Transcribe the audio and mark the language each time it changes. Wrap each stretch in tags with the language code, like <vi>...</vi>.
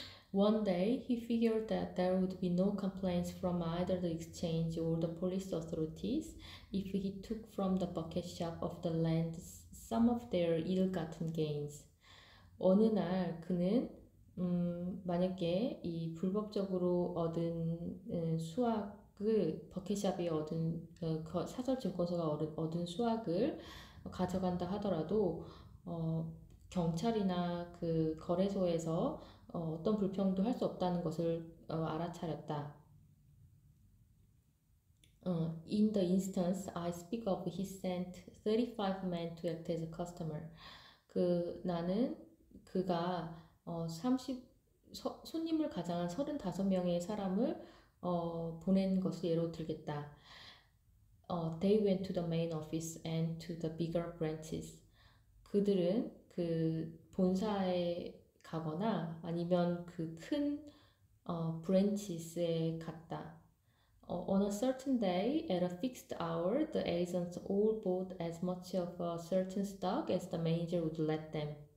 <en>One day he figured that there would be no complaints from either the exchange or the police authorities if he took from the bucket shop of the land some of their ill-gotten gains.</en> <ko>어느 날 그는 만약에 이 불법적으로 얻은 수확을 버킷샵이 얻은 그 사설 증권사가 얻은 수확을 가져간다 하더라도 경찰이나 그 거래소에서 어떤 불평도 할수 없다는 것을 알아차렸다.</ko> <en>In the instance I speak of, he sent 35 men to act as a customer.</en> <ko>나는 그가 손님을 가장한 35명의 사람을 보낸 것을 예로 들겠다.</ko> <en>They went to the main office and to the bigger branches.</en> <ko>그들은 그 본사에 가거나 아니면 그큰 브랜치스에 갔다.</ko> <en>On a certain day, at a fixed hour, the agents all bought as much of a certain stock as the manager would let them.</en>